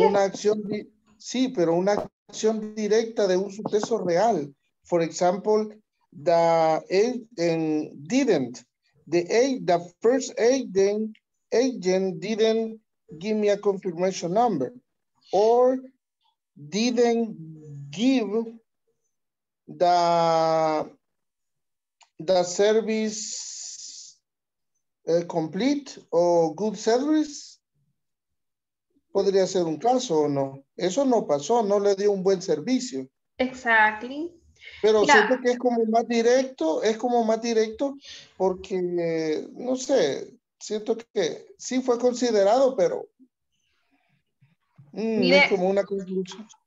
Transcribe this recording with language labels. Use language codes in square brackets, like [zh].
[es] Una acción, sí, pero una acción directa de un suceso real. [en] For example, the first agent didn't give me a confirmation number, or didn't give the service complete o good service. [es] Podría ser un caso o no. Eso no pasó, no le dio un buen servicio. [en] Exactly. [es] Pero yeah. Siento que es como más directo porque no sé, siento que sí fue considerado, pero mire, es como una conclusión.